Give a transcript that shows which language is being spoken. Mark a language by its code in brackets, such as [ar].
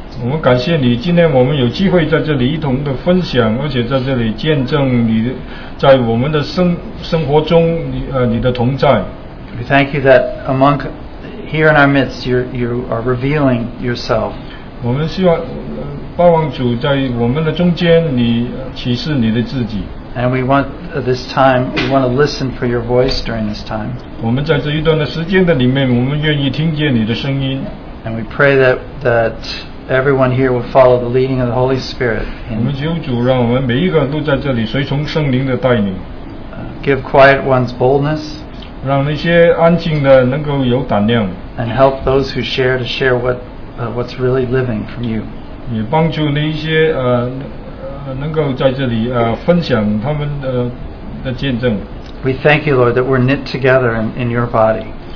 [zh] 我们感谢你，今天我们有机会在这里一同的分享，而且在这里见证你在我们的生活中，你的同在。 [en] We thank you that among here in our midst, you are revealing yourself. [zh] 我们希望盼望主在我们的中间，你启示你的自己。 [en] And we want this time, we want to listen for your voice during this time. [zh] 我们在这一段的时间的里面，我们愿意听见你的声音。 [en] And we pray that everyone here will follow the leading of the Holy Spirit. [zh] 我们求主让我们每一个人都在这里随从圣灵的带领。 [en] Give quiet ones boldness. [zh] 让那些安静的能够有胆量。 [en] And help those who share to share what's really living from you. [zh] 也帮助那一些能够在这里分享他们的见证。 [en] We thank you, Lord, that we're knit together in your body.